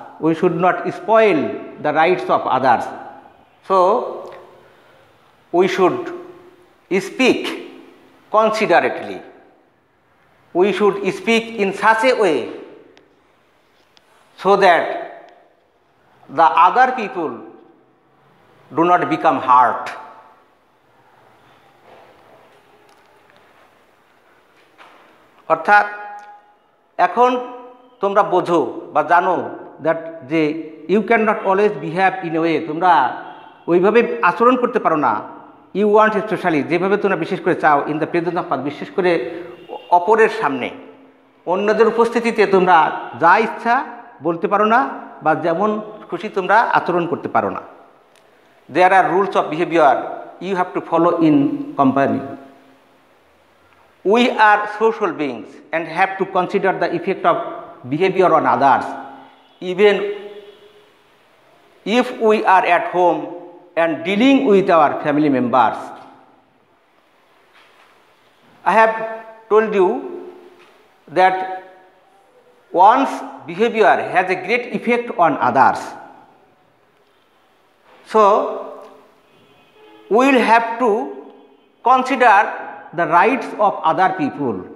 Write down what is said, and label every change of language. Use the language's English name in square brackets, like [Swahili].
[English] We should not spoil the rights of others. So we should speak considerately. We should speak in such a way so that the other people do not become hurt. [Bangla] অর্থাৎ এখন তোমরা বোঝো বা জানো that যে [English] you can not always behave in a way, [Bangla] তোমরা ওইভাবে আচরণ করতে পারো না, [English] you want specially, [Bangla] যেভাবে তোমরা বিশেষ করে চাও, [English] in the presence of, [Bangla] বিশেষ করে অপরের সামনে, অন্যদের উপস্থিতিতে তোমরা যা ইচ্ছা বলতে পারো না বা যেমন খুশি তোমরা আচরণ করতে পারো না। [English] There are rules of behaviour you have to follow in company. We are social beings and have to consider the effect of behaviour on others, even if we are at home and dealing with our family members. I have told you that one's behavior has a great effect on others. So we will have to consider the rights of other people.